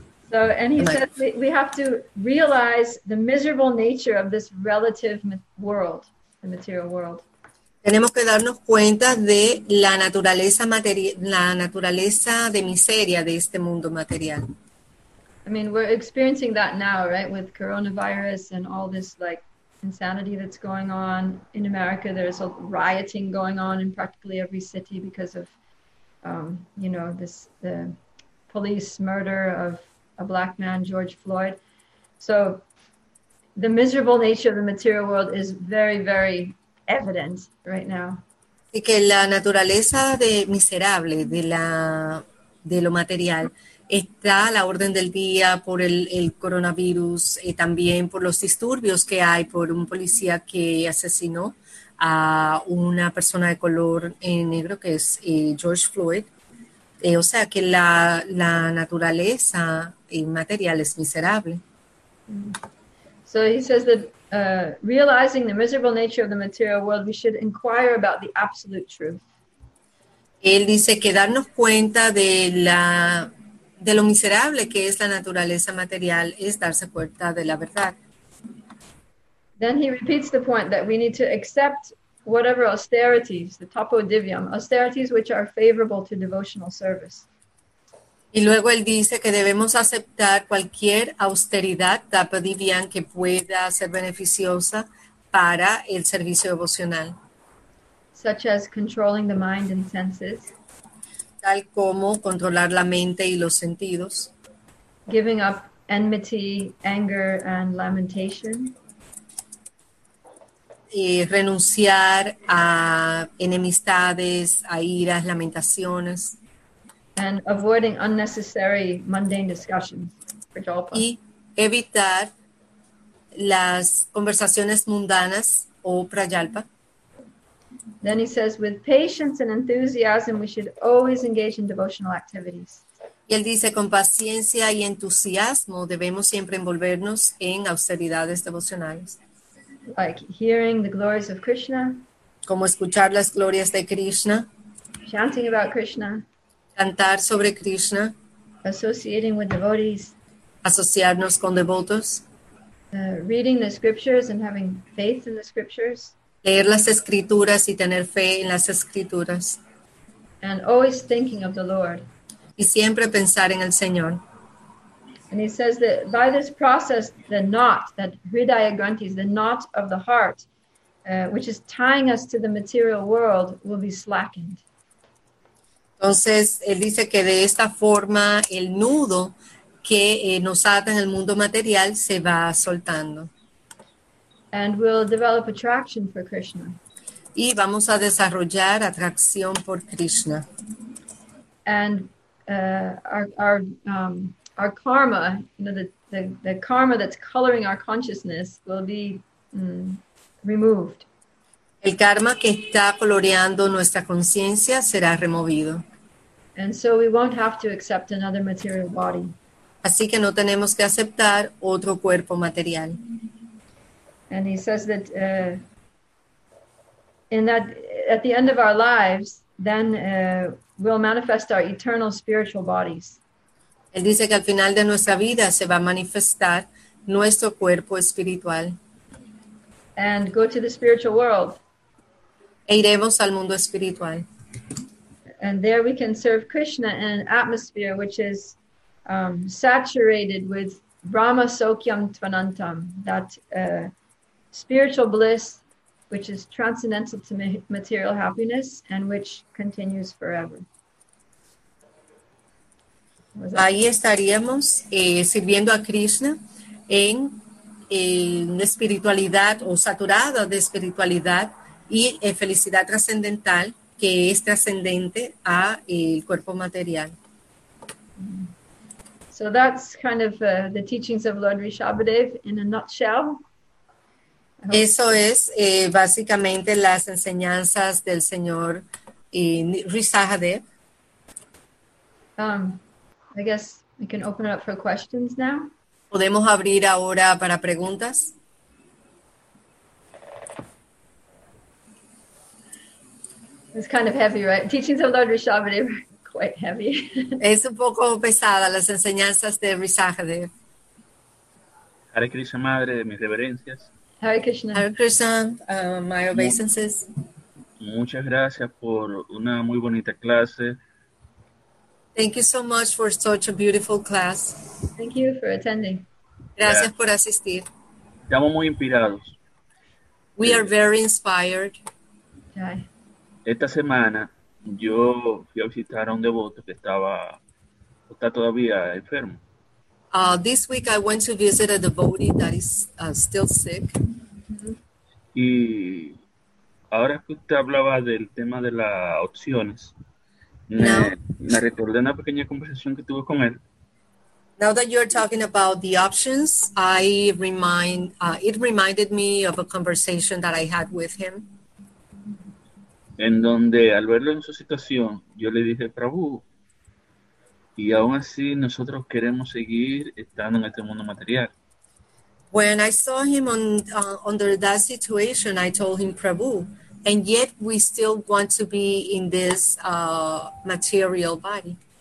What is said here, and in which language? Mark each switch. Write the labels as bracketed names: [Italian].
[English] So, and he said we have to realize the miserable nature of this relative world, the material world. [Spanish] Tenemos que darnos cuenta de la naturaleza la naturaleza de miseria de este mundo material. [English] I mean, we're experiencing that now, right, with coronavirus and all this, like, insanity that's going on in America. There's a rioting going on in practically every city because of, you know, this the police murder of a black man, George Floyd. So the miserable nature of the material world is very, very evident right now. [Spanish] Y que la naturaleza de miserable de lo material está a la orden del día por el coronavirus y también por los disturbios que hay por un policía que asesinó a una persona de color negro que es George Floyd. O sea que la naturaleza material es miserable. [English] So he says that realizing the miserable nature of the material world, we should inquire about the absolute truth. [Spanish] Él dice que darnos cuenta de lo miserable que es la naturaleza material es darse cuenta de la verdad. [English] Then he repeats the point that we need to accept whatever austerities, the tapo divyam, austerities which are favorable to devotional service. [Spanish] Y luego él dice que debemos aceptar cualquier austeridad, tapo divyam, que pueda ser beneficiosa para el servicio devocional. [English] Such as controlling the mind and senses. [Spanish] Tal como controlar la mente y los sentidos. [English] Giving up enmity, anger, and lamentation. [Spanish] Y renunciar a enemistades, a iras, lamentaciones. [English] And avoiding unnecessary mundane discussions for jalpa. [Spanish] Y evitar las conversaciones mundanas o prayalpa. [English] Then he says, with patience and enthusiasm, we should always engage in devotional activities. [Spanish] Y él dice, con paciencia y entusiasmo, debemos siempre envolvernos en austeridades devocionales. [English] Like hearing the glories of Krishna. [Spanish] Como escuchar las glorias de Krishna. [English] Chanting about Krishna. [Spanish] Cantar sobre Krishna. [English] Associating with devotees. [Spanish] Asociarnos con devotos. [English] Reading the scriptures and having faith in the scriptures. [Spanish] Leer las escrituras y tener fe en las escrituras. [English] And always thinking of the Lord. [Spanish] Y siempre pensar en el Señor. [English] And he says that by this process, the knot, that Hridaya Granthi, the knot of the heart, which is tying us to the material world, will be slackened. [Spanish] Entonces, él dice que de esta forma, el nudo que nos ata en el mundo material se va soltando. [English] And we'll develop attraction for Krishna. [Spanish] Y vamos a desarrollar atracción por Krishna. [English] And our karma, you know, the karma that's coloring our consciousness will be removed. [Spanish] El karma que está coloreando nuestra conciencia será removido. [English] And so we won't have to accept another material body. [Spanish] Así que no tenemos que aceptar otro cuerpo material. [English] And he says that in that at the end of our lives, then we'll manifest our eternal spiritual bodies. [Spanish] Él dice que al final de nuestra vida se va a manifestar nuestro cuerpo espiritual. [English] And go to the spiritual world. [Spanish] E iremos al mundo espiritual. [English] And there we can serve Krishna in an atmosphere which is saturated with Brahma Sokyam Tvanantam, that spiritual bliss, which is transcendental to material happiness and which continues forever. [Spanish] Ahí estaríamos sirviendo a Krishna en una espiritualidad o saturada de espiritualidad y felicidad trascendental que es trascendente a el cuerpo material. [English] So that's kind of the teachings of Lord Rishabhadev in a nutshell. [Spanish] Eso es básicamente las enseñanzas del señor Rishabhadev. [English] I guess we can open it up for questions now. [Spanish] ¿Podemos abrir ahora para preguntas? [English] It's kind of heavy, right? Teachings of Lord Rishabhadev are quite heavy. [Spanish] Es un poco pesada las enseñanzas de Rishabhadev. Hare Krishna, madre, mis reverencias. Hare Krishna. [English] Hare Krishna, my obeisances. [Spanish] Muchas gracias por una muy bonita clase. [English] Thank you so much for such a beautiful class. Thank you for attending. [Spanish] Gracias por asistir. Estamos muy inspirados. [English] We are very inspired. Okay. [Spanish] Esta semana yo fui a visitar a un devoto que estaba, está todavía enfermo. [English] This week I went to visit a devotee that is still sick. Mm-hmm. [Spanish] Y ahora que usted hablaba del tema de las opciones, me recordé una pequeña conversación que tuve con él. [English] Now that you're talking about the options, it reminded me of a conversation that I had with him. [Spanish] En donde al verlo en su situación, yo le dije, Prabhu, y aún así nosotros queremos seguir estando en este mundo material. [English] When I saw him on under that situation, I told him, Prabhu, and yet we still want to be in this material body.